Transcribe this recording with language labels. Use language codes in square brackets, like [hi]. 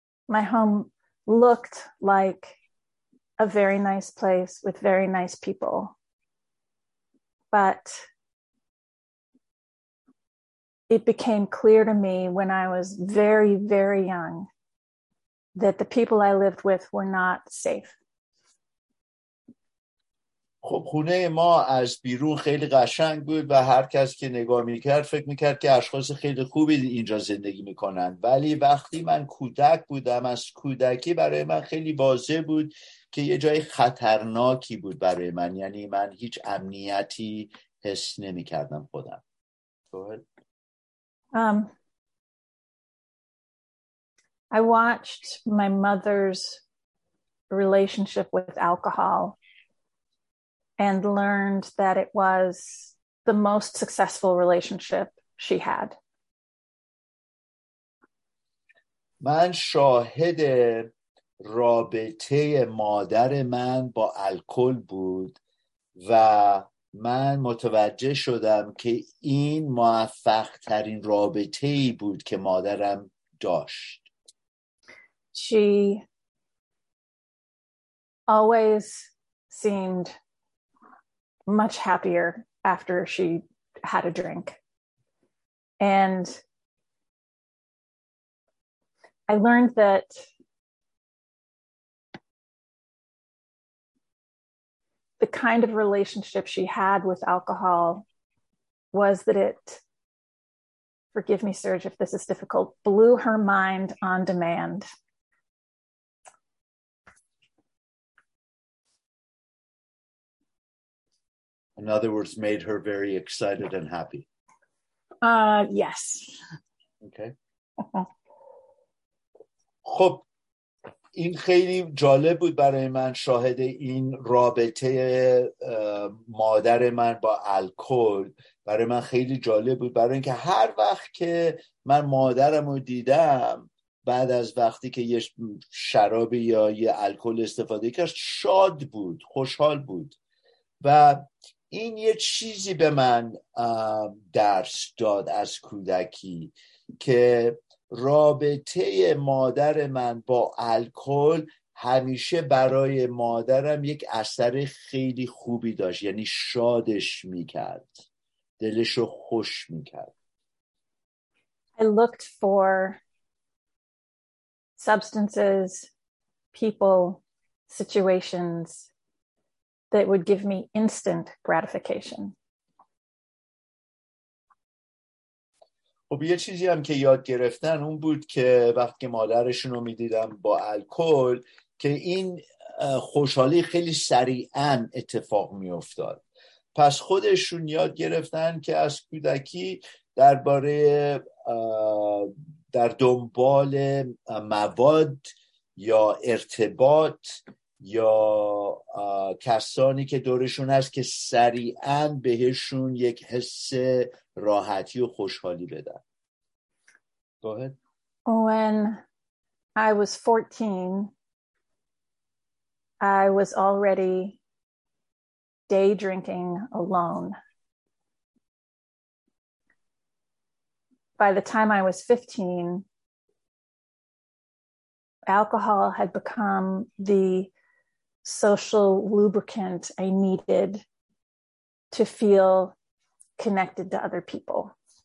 [en] My home looked like a very nice place with very nice people. But it became clear to me when I was very, very young that the people I lived with were not safe. [fa] خب خونه ما از بیرون خیلی قشنگ بود و هر کس که نگاه میکرد فکر میکرد که اشخاص خیلی خوبی اینجا زندگی میکنن، ولی وقتی من کودک بودم، از کودکی برای من خیلی واضح بود که یه جای خطرناکی بود برای من، یعنی من هیچ امنیتی حس نمیکردم خودم. [en] I watched my mother's relationship with alcohol and learned that it was the most successful relationship she had. [fa] من شاهد رابطه مادر من با الکل بود و من متوجه شدم که این موفق ترین رابطه ای بود که مادرم داشت. [en] She always seemed much happier after she had a drink. And I learned that the kind of relationship she had with alcohol was that it, forgive me, Serge, if this is difficult, blew her mind on demand. In other words, made her very excited and happy. Yes. Okay. [fa] خب این خیلی جالب بود برای من شاهد این رابطه مادر من با الکل برای من خیلی جالب بود برای اینکه هر وقت که من مادرم رو دیدم بعد از وقتی که یه شرابی یا یه الکل استفاده کرد شاد بود خوشحال بود و این یه چیزی به من درس داد از کودکی که رابطه مادر من با الکل همیشه برای مادرم یک اثر خیلی خوبی داشت یعنی شادش میکرد دلشو خوش میکرد [en] I looked for substances, people, situations that would give me instant gratification. [fa] خب یه چیزی هم که یاد گرفتن اون بود که وقتی مادرشون رو میدیدم با الکل که این خوشحالی خیلی سریعا اتفاق میافتاد. پس خودشون یاد گرفتن که از کودکی درباره در دنبال مواد یا ارتباط یا کسانی که دورشون هست که سریعا بهشون یک حس راحتی و خوشحالی بدن. [en] Go ahead. When I was 14, I was already day drinking alone. By the time I was 15, alcohol had become the social lubricant I needed to feel connected to other people.